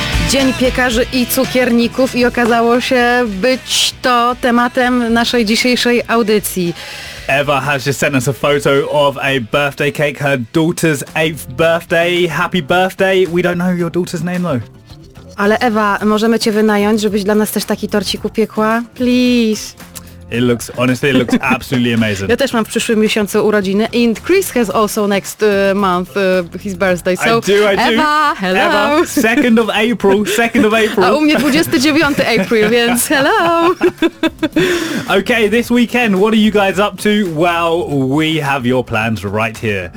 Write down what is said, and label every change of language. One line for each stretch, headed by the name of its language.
Polish: Dzień piekarzy i cukierników i okazało się być to tematem naszej dzisiejszej audycji.
English: Eva has just sent us a photo of a birthday cake, her daughter's 8th birthday. Happy birthday. We don't know your daughter's name though.
Polish: Ale Eva, możemy cię wynająć, żebyś dla nas też taki torcik upiekła?
English: Please. It looks, honestly, it looks absolutely amazing.
Polish: Ja też mam w przyszłym miesiącu urodziny
English: and Chris has also next month his birthday. So, I do. Hello. Eva, 2nd of April, 2nd of April.
Polish: A u mnie 29 April, więc hello.
English: Okay, this weekend, what are you guys up to? Well, we have your plans right here.